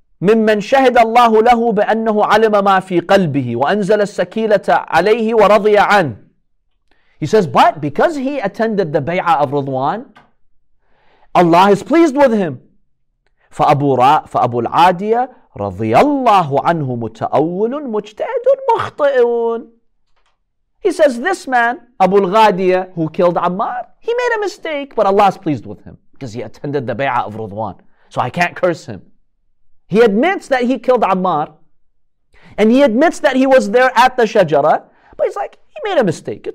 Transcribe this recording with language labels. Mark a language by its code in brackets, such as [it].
[ar] ممن شهد الله له بأنه علم ما في قلبه وأنزل السكيلة عليه ورضي عنه. [en] He says, but because he attended the bay'ah of Ridwan, Allah is pleased with him. [ar] فأبو العادية رضي الله عنه متأول مجتهد مخطئ. [en] He says, this man, Abu al-Ghadiyah, who killed Ammar, he made a mistake, but Allah is pleased with him because he attended the bay'ah of Ridwan. So I can't curse him. He admits that he killed Ammar, and he admits that he was there at the Shajara, but he's like, he made a mistake.